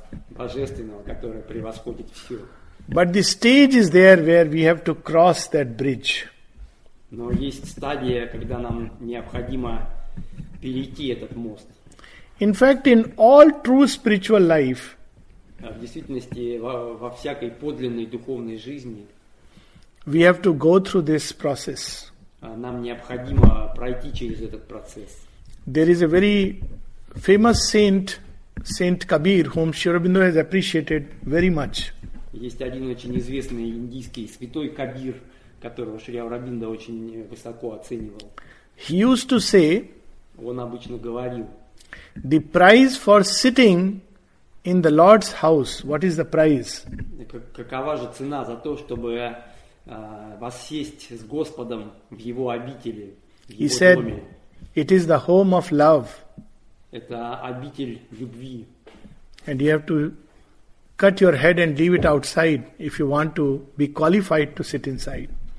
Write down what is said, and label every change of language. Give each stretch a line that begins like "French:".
Russian: Божественного, которое превосходит все.
English: But the stage is there where we have to cross that bridge.
Russian: Но есть стадия, когда нам необходимо перейти этот мост.
English: In fact, in all true spiritual life,
Russian: в действительности, во всякой подлинной духовной жизни,
English: we have to go through this process.
Russian: Нам необходимо пройти через этот процесс.
English: There is a very famous saint, Saint Kabir, whom Sri Aurobindo has appreciated very much.
Russian: Есть один очень известный индийский святой Кабир, которого Шри Аурабинда очень высоко оценивал.
English: He used to say,
Russian: он обычно говорил,
English: the price for sitting in the Lord's house, what is the price?
Russian: Какова же цена за то, чтобы воссесть с Господом в Его обители, в Его доме?
English: He said, it is the home of love.
Russian: Это обитель любви.
English: And you have to cut your head and leave it outside if you want to be qualified to sit inside.